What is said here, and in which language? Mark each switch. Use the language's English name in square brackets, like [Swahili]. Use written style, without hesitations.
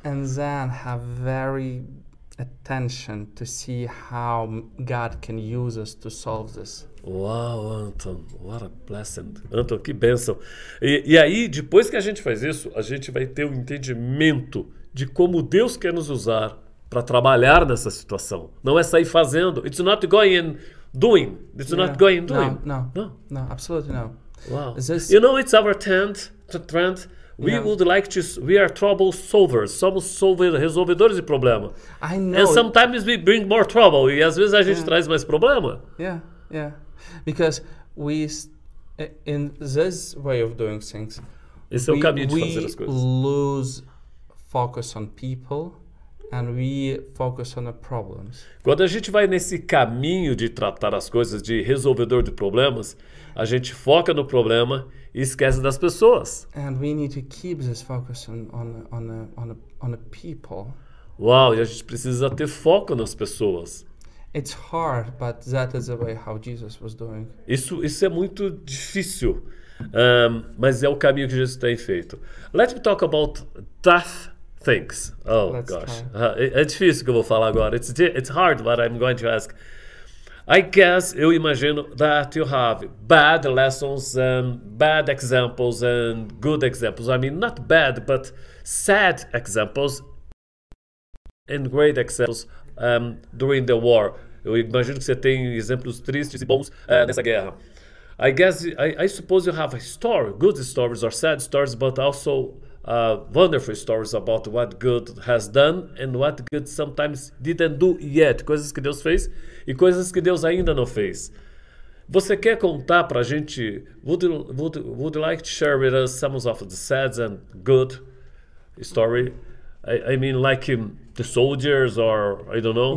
[English] And then have very attention to see how God can use us to solve this. Wow, Anton, what a blessing. Anton, [Portuguese] que bênção. E aí, depois que a gente faz isso, a gente vai ter um entendimento de como Deus quer nos usar para trabalhar nessa situação. Não é sair fazendo. [English] It's not going in. Doing. It's not going doing. No, absolutely no. Wow. You know, it's our trend. We would like to. We are trouble solvers. [Portuguese] Somos resolvedores de problema. [English] I know. And sometimes we bring more trouble. [Portuguese] E às vezes a gente traz mais problema. [English] Yeah. Because we, in this way of doing things, [Portuguese] esse é o caminho de fazer as coisas. [English] We lose focus on people And we focus on the problems. [Portuguese] Quando a gente vai nesse caminho de tratar as coisas, de resolvedor de problemas, a gente foca no problema e esquece das pessoas. [English] And we need to keep this focus on the people. [Portuguese] Uau, e a gente precisa ter foco nas pessoas. [English] It's hard, but that is the way how Jesus was doing. [Portuguese] Isso é muito difícil, mas é o caminho que Jesus tem feito. [English] Let me talk about tough things. Oh, let's gosh. [Portuguese] É difícil que eu vou falar agora. [English] It's hard, but I'm going to ask. I guess, [Portuguese] eu imagino, [English] that you have bad lessons and bad examples and good examples. I mean, not bad, but sad examples and great examples during the war. [Portuguese] Eu imagino que você tem exemplos tristes e bons nessa guerra. [English] I suppose you have a story, good stories or sad stories, but also wonderful stories about what good has done and what good sometimes didn't do yet. [Portuguese] Coisas que Deus fez e coisas que Deus ainda não fez. Você quer contar pra gente? [English] Would you like to share with us some of the sad and good story? I mean, like the soldiers or I don't know.